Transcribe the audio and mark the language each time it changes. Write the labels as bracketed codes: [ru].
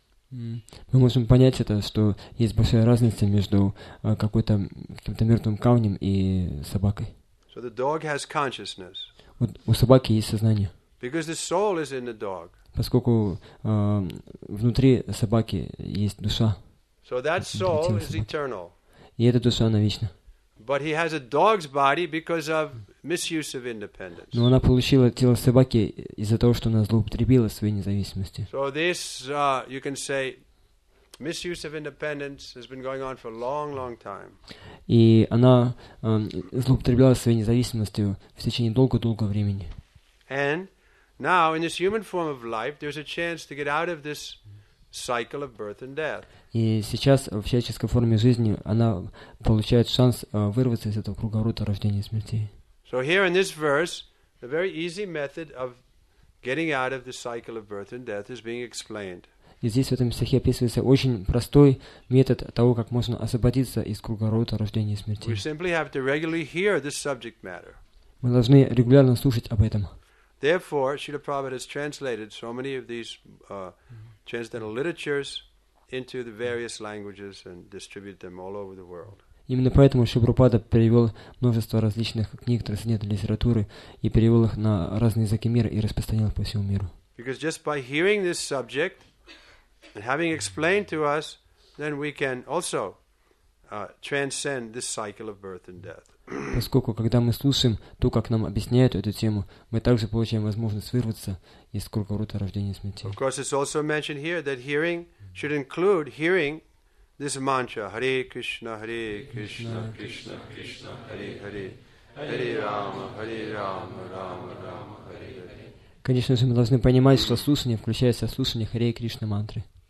[ru] Мы можем понять это, что есть большая разница между каким-то мертвым камнем и собакой. [en] So the dog has consciousness. [ru] Вот у собаки есть сознание. [en] Because the soul is in the dog. [ru] Поскольку внутри собаки есть душа. [en] So that soul is eternal. [ru] И эта душа она вечна. [en] But he has a dog's body because of misuse of independence. [ru] Но она получила тело собаки из-за того, что она злоупотребила своей независимостью. [en] So this, you can say, misuse of independence has been going on for a long, long time. [ru] И она злоупотребляла своей независимостью в течение долго-долго времени. [en] And now, in this human form of life, there's a chance to get out of this cycle of birth and death. [ru] И сейчас в человеческой форме жизни она получает шанс вырваться из этого круговорота рождения и смерти. [en] So here in this verse, the very easy method of getting out of the cycle of birth and death is being explained. [ru] И здесь в этом стихе описывается очень простой метод того, как можно освободиться из круговорота рождения и смерти. [en] We simply have to regularly hear this subject matter. [ru] Мы должны регулярно слушать об этом. [en] Therefore, Srila Prabhupada has translated so many of these transcendental literatures into the various languages and distributed them all over the world. [ru] Именно поэтому Шри Прабхупада перевел множество различных книг, трансцендентной литературы, и перевел их на разные языки мира и распространил их по всему миру. [en] Because just by hearing this subject and having explained to us, then we can also transcend this cycle of birth and death. [ru] Поскольку, когда мы слушаем то, как нам объясняют эту тему, мы также получаем возможность вырваться из круговорота рождения и смерти. [en] Of course, it's also mentioned here that hearing should include hearing this mantra, Hare Krishna, Hare Krishna, Krishna Krishna, Hare Hare, Hare Rama, Hare Rama, Rama Rama, Hare Hare. [ru] Конечно же, мы должны понимать, что слушание включается в слушание Hare Krishna мантры.